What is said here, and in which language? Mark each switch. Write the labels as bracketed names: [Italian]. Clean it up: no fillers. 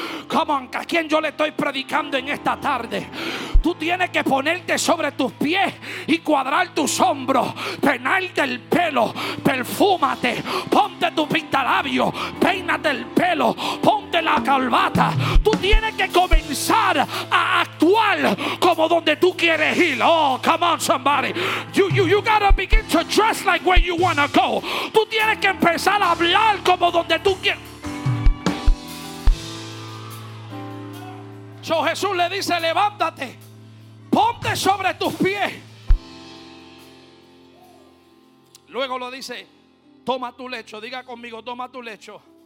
[English] Come on, [Spanish] ¿a quién yo le estoy predicando en esta tarde? Tú tienes que ponerte sobre tus pies y cuadrar tus hombros, peinarte el pelo, perfúmate, ponte tu pintalabios, peínate el pelo, ponte la calvata. Tú tienes que comenzar a actuar como donde tú quieres ir. [English] Oh, come on, somebody. You gotta begin to dress like where you wanna go. [Spanish] Tú tienes que empezar a hablar como donde tú quieres. So Jesús le dice, levántate. Ponte sobre tus pies. Luego lo dice, toma tu lecho. Diga conmigo, toma tu lecho.